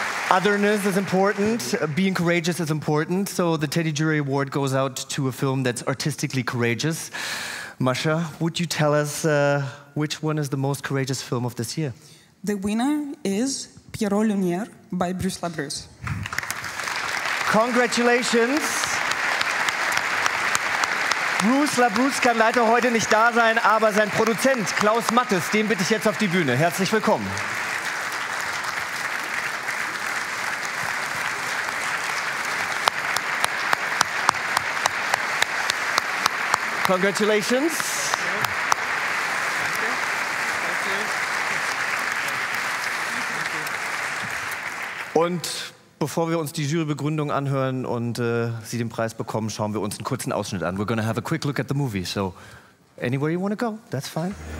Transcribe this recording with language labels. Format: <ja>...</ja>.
<en>Otherness is important, being courageous is important, so the Teddy Jury Award goes out to a film that's artistically courageous. Mascha, would you tell us which one is the most courageous film of this year? The winner is Pierrot Lumière by Bruce LaBruce. Congratulations!</en> <de>Bruce LaBruce kann leider heute nicht da sein, aber sein Produzent Klaus Mattes, den bitte ich jetzt auf die Bühne. Herzlich willkommen.</de> <en>Congratulations.</en> <de>Und bevor wir uns die Jurybegründung anhören und sie den Preis bekommen, schauen wir uns einen kurzen Ausschnitt an.</de> <en>We're gonna have a quick look at the movie. So, anywhere you want to go, that's fine.</en>